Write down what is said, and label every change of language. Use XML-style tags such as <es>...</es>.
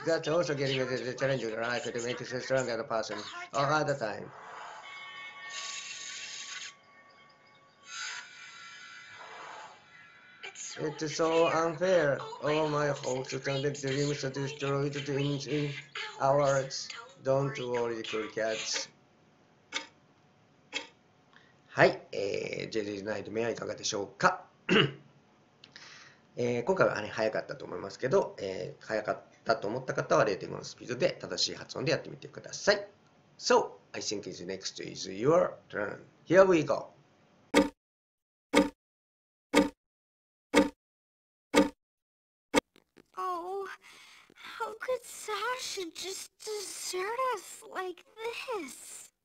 <en>That's also getting the challenge in life to make us a stronger person. Or at the time. It's so unfair. All my hopes and dreams are destroyed in hours. Don't worry, cool cats.</en> <ja>はい、ジェリーナイトメアいかがでしょうか。今回は、ね、早かったと思いますけど、早かったと思った方は 0.5 のスピードで正しい発音でやってみてください。</ja> <en>So, I think it's next is your turn. Here we go. How could Sasha just desert us like this?</en>